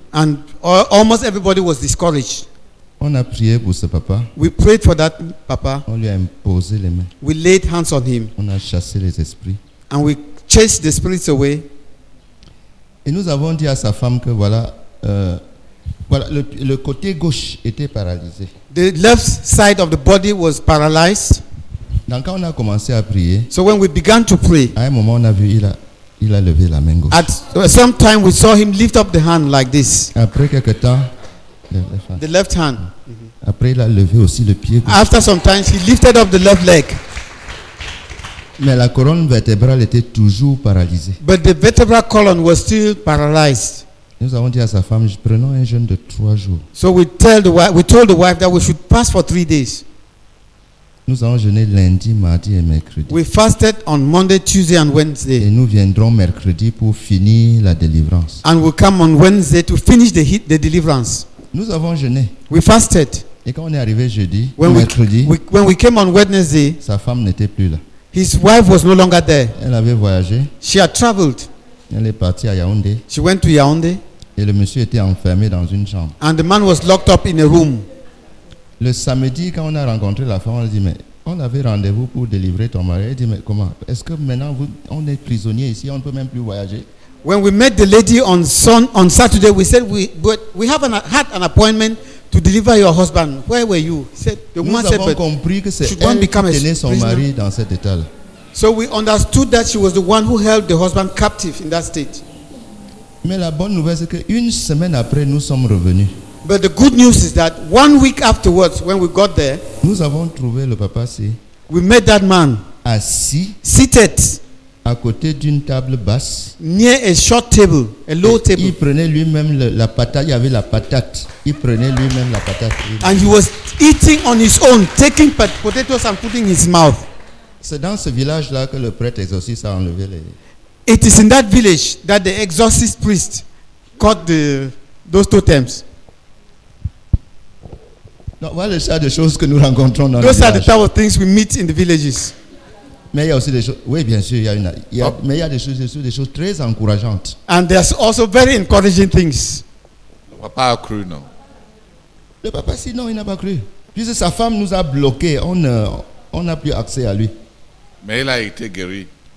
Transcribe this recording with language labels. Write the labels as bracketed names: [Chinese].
[English] And almost everybody was discouraged. [French] On a prié pour ce papa. [English] We prayed for that papa. [French] On lui a imposé les mains. [English] We laid hands on him. [French] On a chassé les esprits. [English] And we chased the spirits away. [French] Et nous avons dit à sa femme que voilà. Voilà, le côté gauche était paralysé. [English] The left side of the body was paralyzed. [French] Donc quand on a commencé à prier. [English] So when we began to pray. [French] À un moment on a vu il a levé la main gauche. [English] At some time we saw him lift up the hand like this. [French] Après quelque temps. [English] The left hand. [French] Après il a levé aussi le pied gauche. [English] After some time he lifted up the left leg. [French] Mais la colonne vertébrale était toujours paralysée. [English] But the vertebral column was still paralyzed. [French] Nous avons dit à sa femme, prenons un jeûne de 3 jours. [English] So we told the wife that we should pass for 3 days. [French] Nous allons jeûner lundi, mardi et mercredi. [English] We fasted on Monday, Tuesday and Wednesday. [French] Et nous viendrons mercredi pour finir la délivrance. [English] And we'll come on Wednesday to finish the deliverance. [French] Nous avons jeûné. [English] We fasted. [French] Et quand on est arrivé jeudi, mercredi, [English] when we came on Wednesday, [French] sa femme n'était plus là. [English] His wife was no longer there. [French] Elle avait voyagé. [English] She had traveled. [French] Elle est partie à Yaoundé. [English] She went to Yaoundé. [French] Et le monsieur était enfermé dans une chambre. [English] And the man was locked up in a room. [French] Le samedi, quand on a rencontré la femme, on a dit, mais on avait rendez-vous pour délivrer ton mari. Elle dit, mais comment? Est-ce que maintenant, on est prisonnier ici, on ne peut même plus voyager? [English] When we met the lady on Saturday, we said, had an appointment to deliver your husband. Where were you? He said, the woman said, [French] nous avons compris que c'est elle qui tenait son prisoner? Mari dans cet état-là. [English] So we understood that she was the one who held the husband captive in that state. [French] Mais la bonne nouvelle c'est que une semaine après nous sommes revenus. [English] But the good news is that 1 week afterwards when we got there, [French] nous avons trouvé le papa assis. [English] We met that man [French] assis, [English] seated [French] à côté d'une table basse. [English] Near a short table, a low table. [French] Il prenait lui-même la patate, il y avait la patate. Il prenait lui-même la patate. [English] And he was eating on his own, taking potatoes and putting in his mouth. [French] C'est dans ce village là que le prêtre exorciste a enlevé les. [English] It is in that village that the exorcist priest caught those totems. [French] Non, voilà les sortes de choses que nous rencontrons dans [English] those [French] le village. [English] Those are the type of things we meet in the villages. [French] Mais il y a aussi des choses. Oui, bien sûr, mais il y a des choses très encourageantes. [English] And there's also very encouraging things. [French] Papa a cru, non? Le papa dit non, il n'a pas cru. Puisque sa femme nous a bloqué, on n'a plus accès à lui. Mais il a été guéri.